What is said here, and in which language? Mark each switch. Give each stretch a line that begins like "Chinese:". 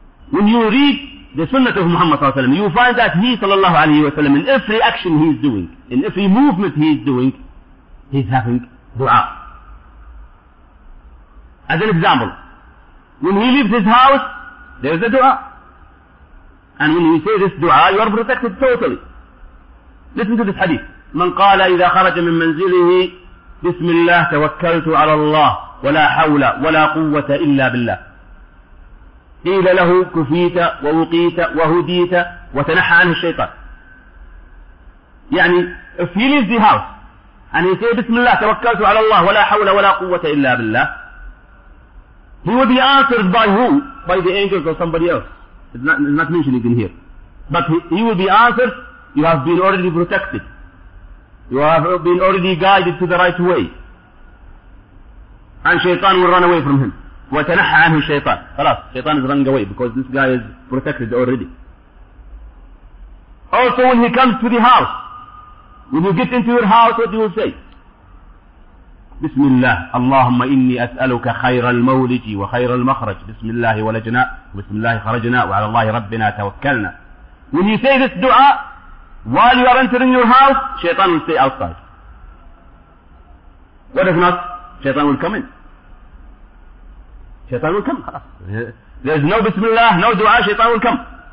English: When you read the sunnah of Muhammad sallallahu alayhi wa sallam, you find that he sallallahu alayhi wa sallam, in every action he is doing, in every movement he is doing, he is having dua. As an example, when he leaves his house, there is a dua. And when you say this dua, you are protected totally. Listen to this hadith.
Arabic: من قال إذا خرج من منزله بسم الله توكلت على الله ولا حول ولا قوة إلا بالله. قيل له كفيت ووقيت وهديت وتنحى عنه الشيطان.
English: يعني if he leaves the house and he say
Arabic: بسم الله توكلت على الله ولا حول ولا قوة إلا بالله,
English: he will be answered by who? By the angels or somebody else. It's not mentioned in here. But he will be answered, you have been already protected. You have been already guided to the right way. And shaitan will run away from him.
Arabic: وَتَنَحَّ عَنْهُ الشَّيْطَانِ خلاص,
English: shaitan is running away because this guy is protected already. Also when he comes to the house, when you get into your house, what do you say?
Arabic: بسم الله اللهم إني أسألك خير المولج وخير المخرج, بسم الله ولجنا بسم الله خرجنا وعلى الله ربنا توكلنا.
English: When you say this dua while you are entering your house, shaitan will stay outside. What if not? Shaitan will come in. Shaitan will come. There is no bismillah, no dua, shaitan will come.